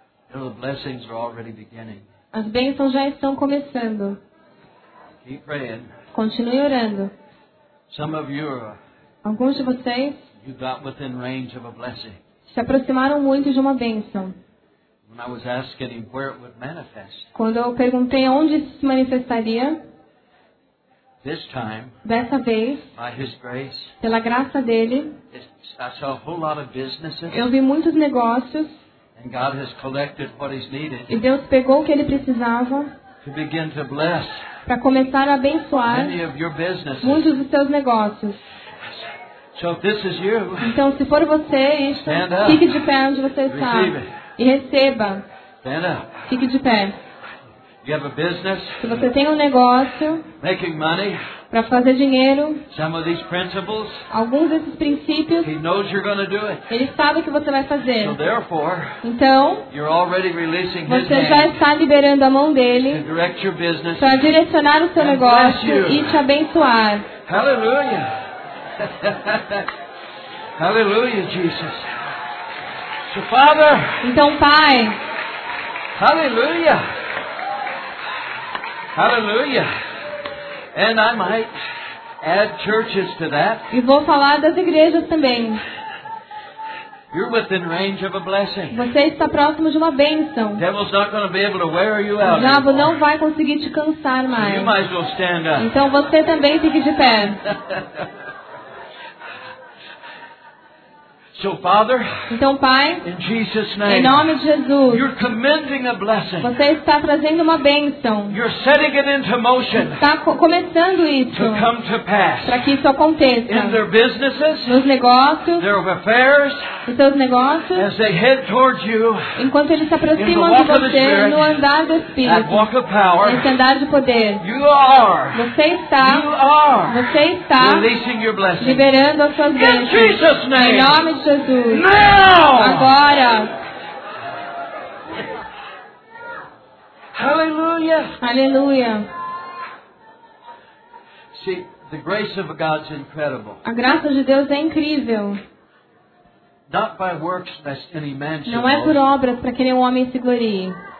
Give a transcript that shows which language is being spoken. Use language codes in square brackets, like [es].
[en] You know, the blessings are already beginning. [pt] As bênçãos já estão começando. [en] Keep praying. [pt] Continue orando. [en] Some of you are, [pt] alguns de vocês [en] you got within range of a blessing. [pt] Se aproximaram muito de uma bênção. [en] When I was asking where it would manifest, [pt] quando eu perguntei onde isso se manifestaria, [en] this time, [pt] dessa vez, [en] by his grace, [pt] pela graça dele, [en] I saw a whole lot of businesses. [pt] Eu vi muitos negócios. [en] And God has collected what he's needed. [pt] E Deus pegou o que ele precisava. [en] To begin to bless. [pt] Para começar a abençoar. [en] Many of your businesses. [pt] Muitos dos seus negócios. [en] So if this is you. [pt] Então se for você, isso. [en] Stand up. [pt] Fique de pé onde você está. [en] Receive it. [pt] E receba. [en] Stand up. [pt] Fique de pé. [en] You have a business. [pt] Se você tem negócio. [en] Making money. [pt] Para fazer dinheiro. [en] Some of these principles, [pt] alguns desses princípios. [en] He knows you're going to do it. [pt] Ele sabe que você vai fazer. [en] So therefore, [pt] então. [en] You're already releasing [pt] você [en] his [pt] já está liberando a mão dele. [en] To direct your business, [pt] para direcionar o seu [en] and [pt] negócio. [en] Bless you. [pt] E te abençoar. Aleluia. [en] Aleluia, Jesus. So, Father, [pt] então, Pai. Aleluia. Aleluia. [en] And I might add churches to that. [pt] E vou falar das igrejas também. [en] You're within range of a blessing. [pt] Você está próximo de uma bênção. [en] The devil's not going to be able to wear you out. [pt] O diabo [en] anymore. [pt] Não vai conseguir te cansar mais. [en] So you might as well stand up. [pt] Então você também fique de pé. [en] So, Father, [pt] então, Pai, [en] in Jesus' name, [pt] em nome de Jesus, [en] you're commending a blessing. [pt] Você está trazendo uma bênção. [en] You're setting it into motion. [pt] Está começando isso. [en] To come to pass. [pt] Para que isso aconteça. [en] In their businesses, [pt] nos negócios, [en] their affairs, [pt] nos seus negócios, [en] as they head towards you, [pt] enquanto eles se aproximam de você, no andar do Espírito, [en] that walk of power, [pt] nesse andar de poder, [en] you are, [pt] você está, [en] you are, [pt] você está [en] releasing your blessing. [pt] Liberando as suas bênçãos. [en] In Jesus' name. [pt] Em nome Jesus. [en] Now! [pt] Agora. [en] Hallelujah. [pt] Aleluia. [en] See, the grace of God's incredible. [pt] A graça de Deus é incrível. [en] Not by works lest any man should boast. [pt] Não é por obras para que nenhum homem se glorie.